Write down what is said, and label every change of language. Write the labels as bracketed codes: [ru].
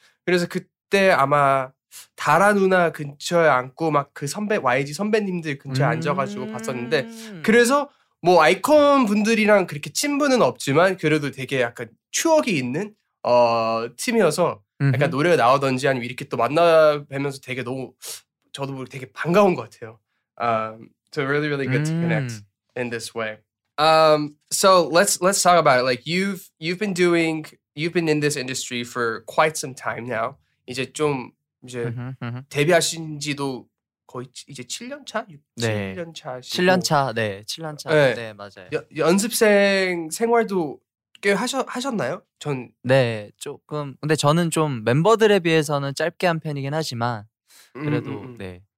[ko] 그래서 그때 아마 다라 누나 근처에 앉고 막 그 선배 YG 선배님들 근처에 앉아 가지고 봤었는데 그래서 뭐 아이콘 분들이랑 그렇게 친분은 없지만 그래도 되게 약간 추억이 있는 팀이어서 음흠. 약간 노래가 나오던지 아니면 이렇게 또 만나 뵈면서 되게 너무 저도 되게 반가운 것 같아요. [en] So really really good to connect in this way. So let's talk about it. Like you've been in this industry for quite some time now. [ko] 이제 좀 이제 데뷔하신 지도 거의 이제 7년 차? 네. 7년 차. 7년 차. 네. 7년 차. 네, 네 맞아요. 연습생 생활도 꽤 하셨나요? 전 네, 조금. 근데 저는 좀 멤버들에 비해서는 짧게 한 편이긴 하지만 그래도 네.